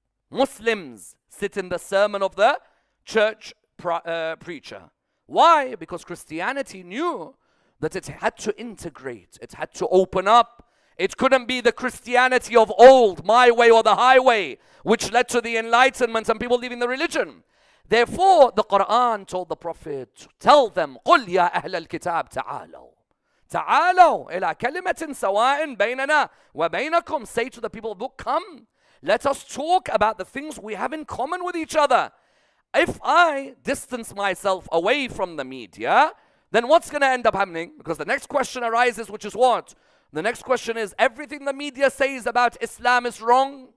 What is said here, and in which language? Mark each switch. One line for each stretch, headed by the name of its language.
English: Muslims sit in the sermon of the church preacher. Why? Because Christianity knew that it had to integrate. It had to open up. It couldn't be the Christianity of old, my way or the highway, which led to the enlightenment and people leaving the religion. Therefore, the Quran told the Prophet, tell them,
Arabic: قُلْ يَا أَهْلَ الْكِتَابِ تَعَالَوْ تَعَالَوْ إِلَىٰ كَلِمَةٍ سَوَاءٍ بَيْنَنَا وَبَيْنَكُمْ.
English: Say to the people of the book, come, let us talk about the things we have in common with each other. If I distance myself away from the media, then what's going to end up happening? Because the next question arises, which is what? The next question is, everything the media says about Islam is wrong.